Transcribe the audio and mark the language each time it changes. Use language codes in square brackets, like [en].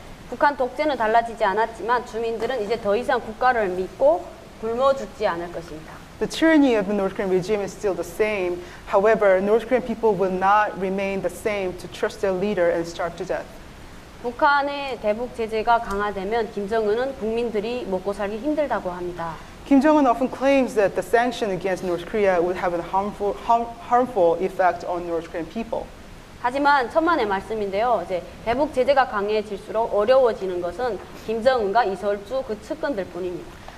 [ko] 북한 독재는 달라지지 않았지만 주민들은 이제 더 이상 국가를 믿고 굶어 죽지 않을 것입니다. [en] The tyranny of the North Korean regime is still the same. However, North Korean people will not remain the same to trust their leader and starve to death. [ko] 북한의 대북 제재가 강화되면 김정은은 국민들이 먹고 살기 힘들다고 합니다. [en] Kim Jong-un often claims that the sanction against North Korea would have a harmful effect on North Korean people. [ko] 하지만 천만의 말씀인데요. 이제 대북 제재가 강해질수록 어려워지는 것은 김정은과 이설주 그 측근들 뿐입니다.